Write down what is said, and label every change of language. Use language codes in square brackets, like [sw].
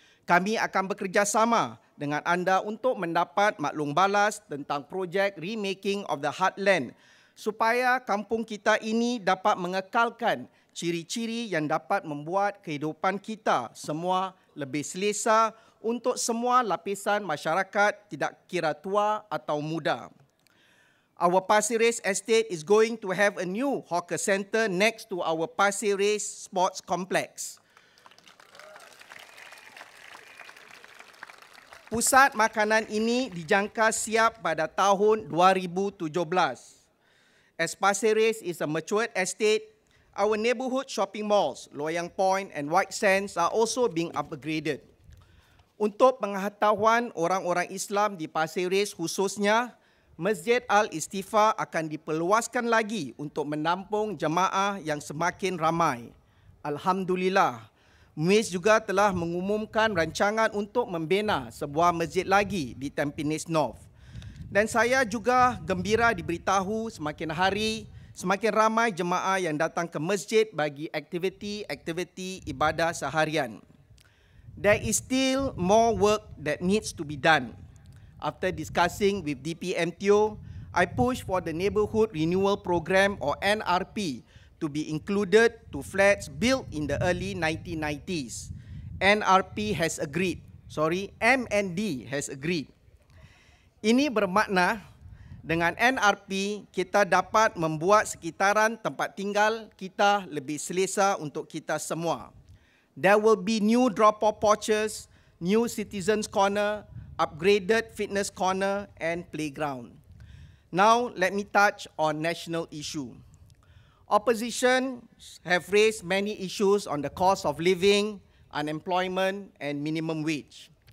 [ms] Kami akan bekerjasama dengan anda untuk mendapat maklum balas tentang projek remaking of the Heartland supaya kampung kita ini dapat mengekalkan ciri-ciri yang dapat membuat kehidupan kita semua lebih selesa untuk semua lapisan masyarakat tidak kira tua atau muda. [en] Our Pasir Ris estate is going to have a new hawker center next to our Pasir Ris sports complex. [ms] Pusat makanan ini dijangka siap pada tahun 2017. [en] As Pasir Ris is a matured estate, our neighborhood shopping malls, Loyang Point and White Sands are also being upgraded. [ms] Untuk pengetahuan orang-orang Islam di Pasir Ris khususnya, Masjid Al-Istifa akan diperluaskan lagi untuk menampung jemaah yang semakin ramai. Alhamdulillah. MUIS juga telah mengumumkan rancangan untuk membina sebuah masjid lagi di Tampines North. Dan saya juga gembira diberitahu semakin hari, semakin ramai jemaah yang datang ke masjid bagi aktiviti-aktiviti ibadah seharian. [en] There is still more work that needs to be done. After discussing with DPMTO, I push for the Neighbourhood Renewal Program or NRP to be included to flats built in the early 1990s. NRP has agreed. MND has agreed. [ms] Ini bermakna dengan NRP kita dapat membuat sekitaran tempat tinggal kita lebih selesa untuk kita semua. [en] There will be new drop-off porches, new citizens corner, upgraded fitness corner and playground. Now let me touch on national issue. Opposition have raised many issues on the cost of living, unemployment and minimum wage.